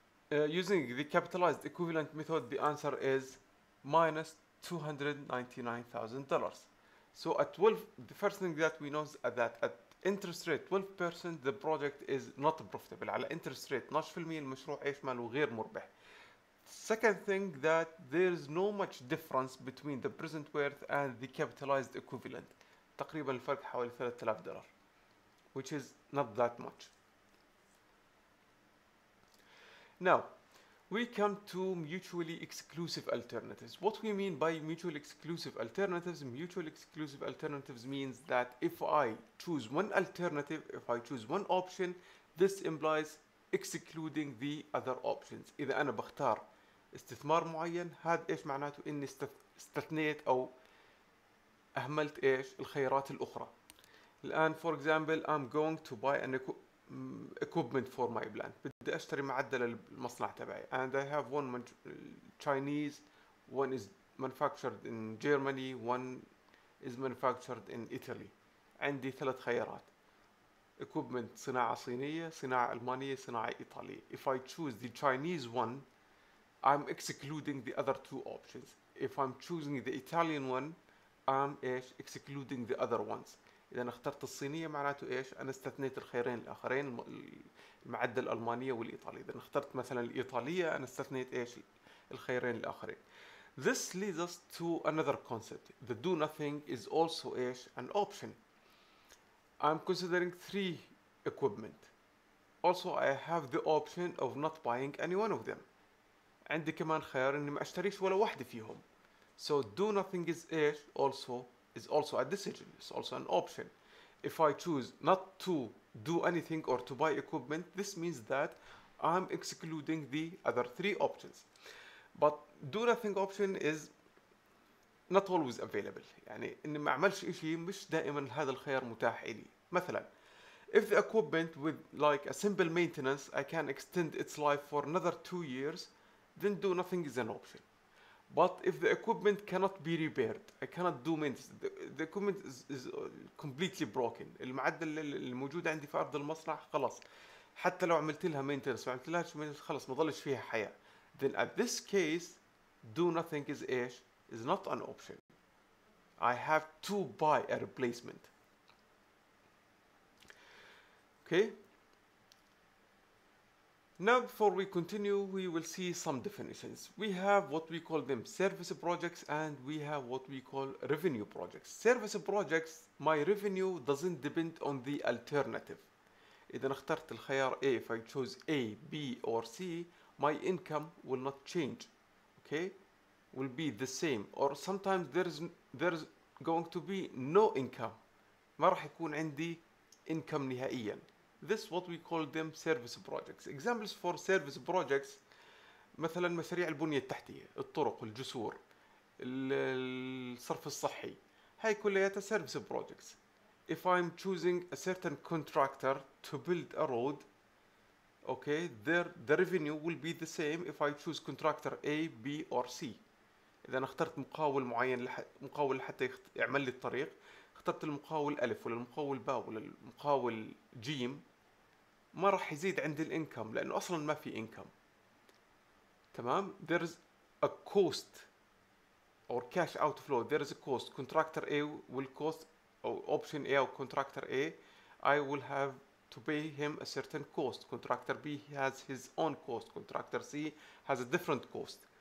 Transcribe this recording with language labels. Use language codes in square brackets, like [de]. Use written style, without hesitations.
[en] Using the capitalized equivalent method, the answer is minus $299,000. So at 12, the first thing that we know is that at interest rate 12%, the project is not profitable. [ar] على interest rate 12% المشروع ايش ماله غير مربح. [en] Second thing that there is no much difference between the present worth and the capitalized equivalent. تقريبا الفرق حوالي $3,000, which is not that much. Now, we come to mutually exclusive alternatives. What we mean by mutually exclusive alternatives? Mutually exclusive alternatives means that if I choose one alternative, if I choose one option, this implies excluding the other options. [ar] إذا أنا بختار استثمار معين, هذا إيش معناته إني استثنيت أو أهملت إيش الخيارات الأخرى. [en] الآن for example I'm going to buy an equipment for my plant. [ar] بدي أشتري معدل المصنع تبعي. [en] And I have one Chinese, one is manufactured in Germany, one is manufactured in Italy. [ar] عندي ثلاث خيارات. Equipment صناعة صينية, صناعة ألمانية, صناعة إيطالية. [en] If I choose the Chinese one, I'm excluding the other two options. If I'm choosing the Italian one, I'm excluding the other ones. [ar] إذا أنا اخترت الصينية معناته إيش؟ أنا استثنيت الخيارين الآخرين, المعدل الألمانية والإيطالية. إذا أنا اخترت مثلا الإيطالية, أنا استثنيت إيش؟ الخيارين الآخرين. [en] This leads us to another concept. The do nothing is also an option. I'm considering three equipment. Also, I have the option of not buying any one of them. [ar] عندي كمان خيار اني ما اشتريش ولا واحدة فيهم. [en] So do nothing is also a decision. It's also an option. If I choose not to do anything or to buy equipment, this means that I'm excluding the other three options. But do nothing option is not always available. [ar] يعني اني ما اعملش اشي مش دائما هذا الخيار متاح لي. [en] مثلا if the equipment with like a simple maintenance I can extend its life for another 2 years, then do nothing is an option. But if the equipment cannot be repaired, I cannot do maintenance, the equipment is completely broken. [ar] المعدل الموجود عندي في أرض المصنع خلاص. حتى لو عملت لها maintenance, ما عملت لهاش maintenance خلاص ما ضلش فيها حياة. [en] Then at this case, do nothing is not an option. I have to buy a replacement. Okay. Now before we continue, we will see some definitions. We have what we call them service projects and we have what we call revenue projects. Service projects, my revenue doesn't depend on the alternative. إذا اخترت الخيار A, if I chose A, B or C, my income will not change. Okay? Will be the same. Or sometimes there's going to be no income. ما راح يكون عندي income نهائيا. This is what we call them service projects. Examples for service projects [ar] مثلا مشاريع البنية التحتية، الطرق، الجسور، الصرف الصحي، هاي كلها سيرفيس بروجكتس. [en] If I'm choosing a certain contractor to build a road, okay, the revenue will be the same if I choose contractor A, B or C. [ar] إذا أنا اخترت مقاول معين مقاول لحتى يعمل لي الطريق، اخترت المقاول ألف ولا المقاول باء ولا المقاول جيم، ما راح يزيد عند الانكم لأنه أصلا ما في انكم. [en] تمام؟ There is a cost or cash outflow. There is a cost. Contractor A will cost option A or contractor A, I will have to pay him a certain cost. Contractor B has his own cost. Contractor C has a different cost.